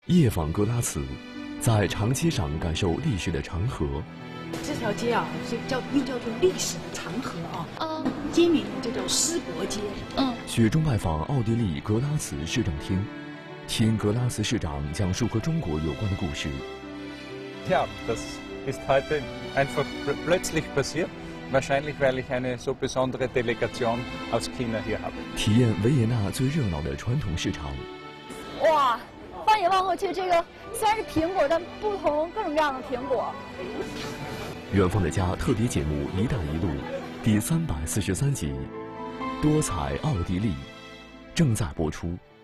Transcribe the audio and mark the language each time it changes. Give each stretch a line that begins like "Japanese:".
Chinese: 夜访哥拉茨，在长街上感受历史的长河。这条街啊，叫做历史的长河啊。街名就叫思国街。雪中拜访奥地利格拉茨市政厅，听格拉茨市长讲述和中国有关的故事。
German: Ja, das ist heute einfach plötzlich passiert, wahrscheinlich weil ich eine so besondere Delegation aus China hier habe.
Chinese: 体验维也纳最热闹的传统市场。哇，放眼望过去，这个虽然是苹果，但不同各种各样的苹果。远方的家特别节目《一带一路》第343集。多彩奥地利正在播出。